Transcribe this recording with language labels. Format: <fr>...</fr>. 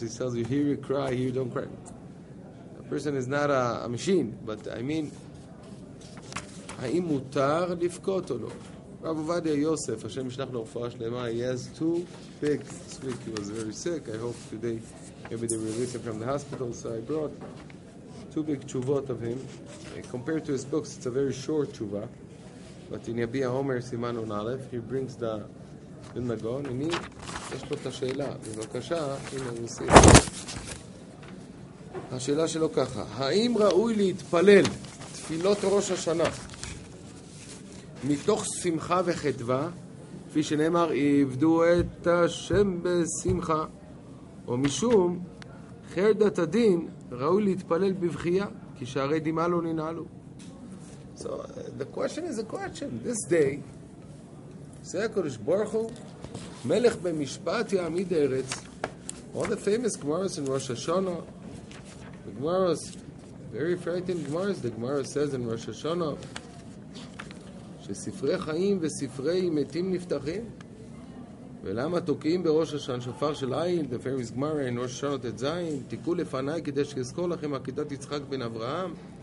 <en>He tells you, here you cry, here you don't cry. A person is not a machine. But I mean,</en> <he>האם מותר לפקוט או לא? רב עובדיה יוסף, השם ישלח לו רפואה שלמה,</he> <en>he has two pigs this week. He was very sick. I hope today maybe they release him from the hospital. So I brought two big תשובות of him. Compared to his books, it's a very short תשובה. But in יביע עומר סימן און א', he brings the בן מגון.</en> <he>הנה, יש לו את השאלה. בבקשה, הנה הוא עושה. השאלה שלו ככה: האם ראוי להתפלל תפילות ראש השנה מתוך שמחה וחדווה, כפי שנאמר, עבדו את השם בשמחה, או משום חרדת הדין, ראוי להתפלל בבכייה, כי שערי דמעה לא ננעלו?</he> <en>So the question is a question. This day, say</en> <he>הקדוש ברוך הוא, מלך במשפט יעמיד ארץ,</he> <en>all the famous Gemaras in Rosh Hashanah, the Gemaras, very frightening Gemaras, the Gemaras says in Rosh Hashanah,</en> <he>שספרי חיים וספרי מתים נפתחים, ולמה תוקעים בראש השן שופר של עיל,</he> <en>the famous Gemara in Rosh Hashanah Tet Zayin,</en> <he>תיקו לפניי כדי שיזכור לכם עקדת יצחק בן אברהם,</he>